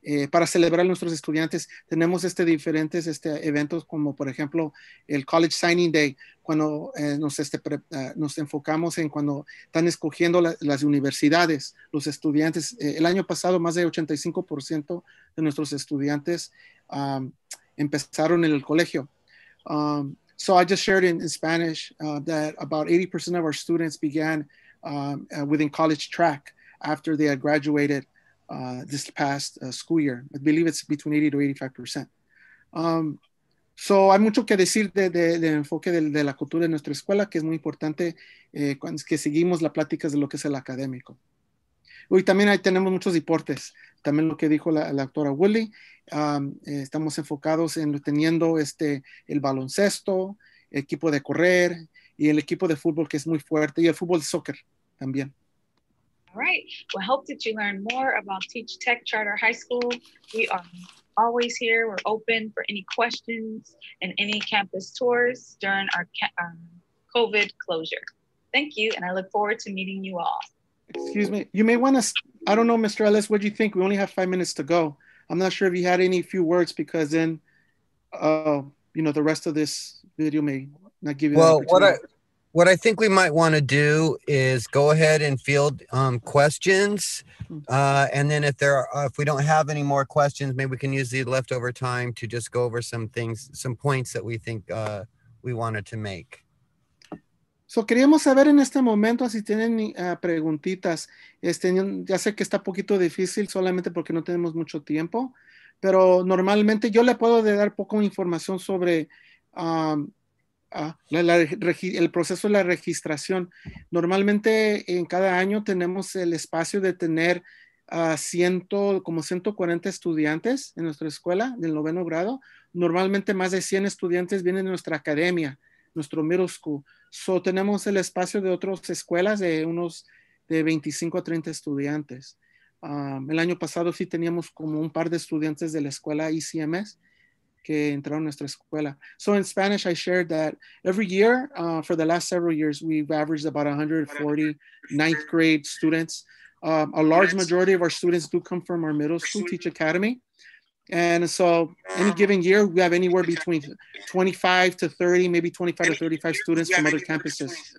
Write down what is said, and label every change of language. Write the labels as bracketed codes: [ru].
[es] Para celebrar a nuestros estudiantes, tenemos diferentes eventos como, por ejemplo, el College Signing Day, cuando nos enfocamos en cuando están escogiendo las universidades, los estudiantes. El año pasado, más de 85% de nuestros estudiantes empezaron en el colegio. [en] So I just shared in Spanish that about 80% of our students began within college track after they had graduated this past school year. I believe it's between 80 to 85%. [es] So hay mucho que decir del enfoque de la cultura de nuestra escuela, que es muy importante que seguimos las pláticas de lo que es el académico. Y también ahí tenemos muchos deportes. También lo que dijo la doctora Willy, estamos enfocados en teniendo el baloncesto, el equipo de correr y el equipo de fútbol que es muy fuerte y el fútbol de soccer también. [en] All right. Well, I hope that you learn more about Teach Tech Charter High School. We are always here. We're open for any questions and any campus tours during our COVID closure. Thank you, and I look forward to meeting you all. Excuse me. You may want to, I don't know, Mr. Ellis, what do you think? We only have 5 minutes to go. I'm not sure if you had any few words because then, the rest of this video may not give you the opportunity. What I think we might want to do is go ahead and field questions. And then if we don't have any more questions, maybe we can use the leftover time to just go over some things, some points that we think we wanted to make. [es] So queríamos saber en este momento si tienen preguntitas. Ya sé que está un poquito difícil solamente porque no tenemos mucho tiempo, pero normalmente yo le puedo dar poco información sobre el proceso de la registración. Normalmente en cada año tenemos el espacio de tener como 140 estudiantes en nuestra escuela del noveno grado. Normalmente más de 100 estudiantes vienen de nuestra academia, nuestro middle school. So tenemos el espacio de otras escuelas de unos de 25 a 30 estudiantes. El año pasado sí teníamos como un par de estudiantes de la escuela ECMS que entraron a nuestra escuela. [en] So in Spanish, I shared that every year, for the last several years, we've averaged about 140 ninth grade students. A large majority of our students do come from our middle school, Teach Academy. And so any given year, we have anywhere between 25 to 30, maybe 25 to 35 students from other campuses.